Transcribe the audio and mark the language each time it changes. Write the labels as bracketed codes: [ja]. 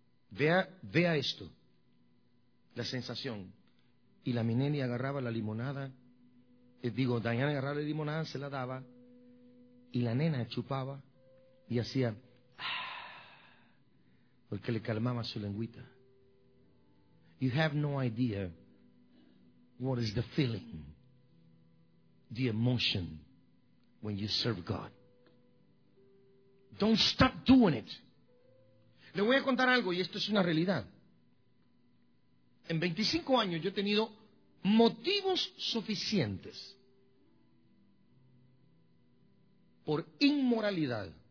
[es] Vea, vea esto, la sensación. Y la Minelli agarraba la limonada, Dayan agarraba la limonada, se la daba, y la nena chupaba y hacía, porque le calmaba su lengüita. [en] You have no idea what is the feeling, the emotion when you serve God. Don't stop doing it. [es] Le voy a contar algo, y esto es una realidad. En 25 años yo he tenido motivos suficientes por inmoralidad.